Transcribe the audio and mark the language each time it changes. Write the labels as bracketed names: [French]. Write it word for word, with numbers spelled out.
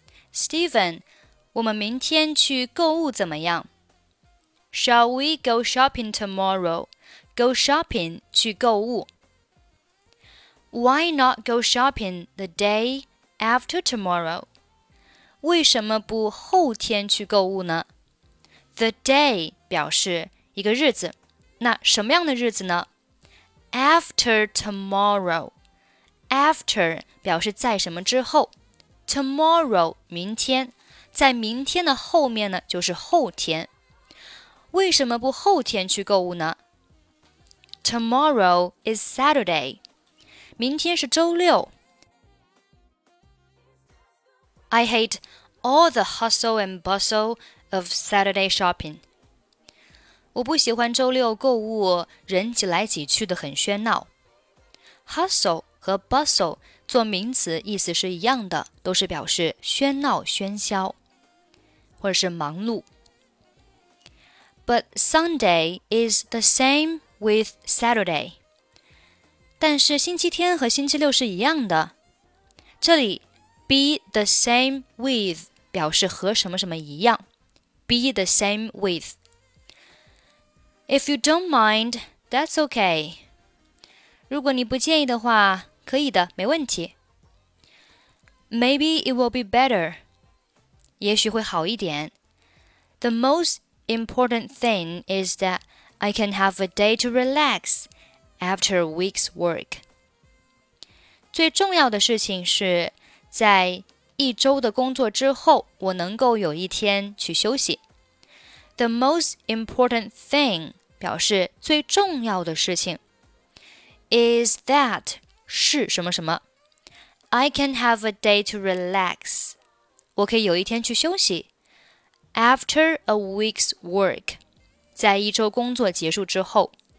[Chinese] Stephen, 我们明天去购物怎么样? [English] Shall we go shopping tomorrow? Go shopping, [Chinese] 去购物。 [English] Why not go shopping the day after tomorrow? [Chinese] 为什么不后天去购物呢? [English] The day [Chinese] 表示一个日子。那什么样的日子呢? [English] After tomorrow, after [Chinese] 表示在什么之后 [English] tomorrow [Chinese] 明天，在明天的后面呢就是后天。为什么不后天去购物呢？ [English] Tomorrow is Saturday, [Chinese] 明天是周六。 [English] I hate all the hustle and bustle of Saturday shopping. [Chinese] 我不喜欢周六购物，人挤来挤去的很喧闹。 Hustle 和 bustle 做名词意思是一样的，都是表示喧闹、喧嚣，或者是忙碌。 [English] But Sunday is the same with Saturday. [Chinese] 但是星期天和星期六是一样的。这里 [English] be the same with [Chinese] 表示和什么什么一样。 [English] Be the same with. If you don't mind, that's okay. [Chinese] 如果你不介意的话，可以的，没问题。 [English] Maybe it will be better. [Chinese] 也许会好一点。 [English] The most important thing is that I can have a day to relax after a week's work. [Chinese] 最重要的事情是，在一周的工作之后，我能够有一天去休息。 [English] The most important thing. [Chinese] 表示最重要的事情 [English] is that [Chinese] 是什么什么 [English] I can have a day to relax [Chinese] 我可以有一天去休息 [English] after a week's work [Chinese] 在一周工作结束之后